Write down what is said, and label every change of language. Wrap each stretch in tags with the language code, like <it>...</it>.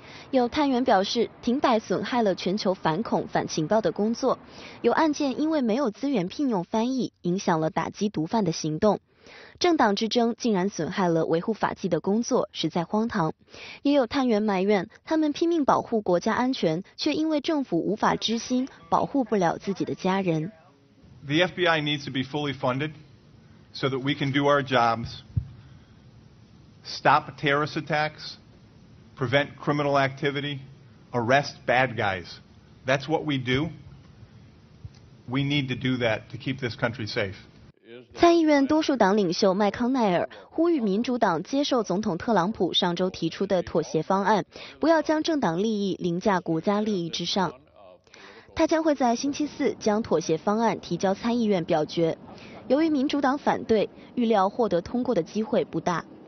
<zh>有探员表示，停摆损害了全球反恐反情报的工作，有案件因为没有资源聘用翻译，影响了打击毒贩的行动。政党之争竟然损害了维护法纪的工作，实在荒唐。也有探员埋怨，他们拼命保护国家安全，却因为政府无法知心，保护不了自己的家人。</zh> <en>The FBI needs to be fully funded so that we can do our jobs, stop terrorist attacks, prevent criminal activity, arrest bad guys. That's what we do. We need to do that to keep this country safe.</en> <zh>参议院多数党领袖麦康奈尔呼吁民主党接受总统特朗普上周提出的妥协方案，不要将政党利益凌驾国家利益之上。他将会在星期四将妥协方案提交参议院表决，由于民主党反对，预料获得通过的机会不大。</zh>